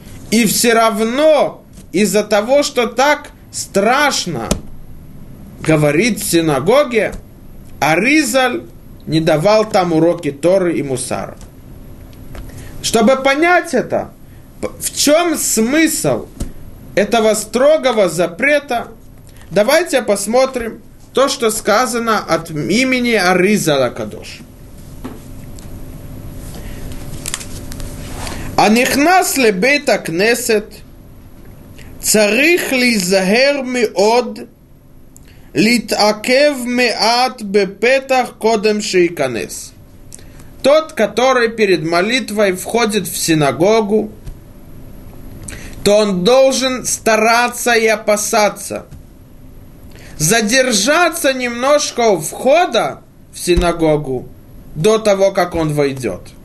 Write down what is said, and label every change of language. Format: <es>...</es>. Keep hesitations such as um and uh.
<ru>И все равно из-за того, что так страшно говорит в синагоге, Аризаль не давал там уроки Торы и Мусара. Чтобы понять это, в чем смысл этого строгого запрета, давайте посмотрим то, что сказано от имени Аризала Кадош.</ru> <he>הנכנס לבית הכנסת צריך להיזהר מאוד להתעכב מעט בפתח קודם שייכנס.</he> <ru>Тот, который перед молитвой входит в синагогу, то он должен стараться и опасаться. Задержаться немножко у входа в синагогу до того, как он войдет.</ru>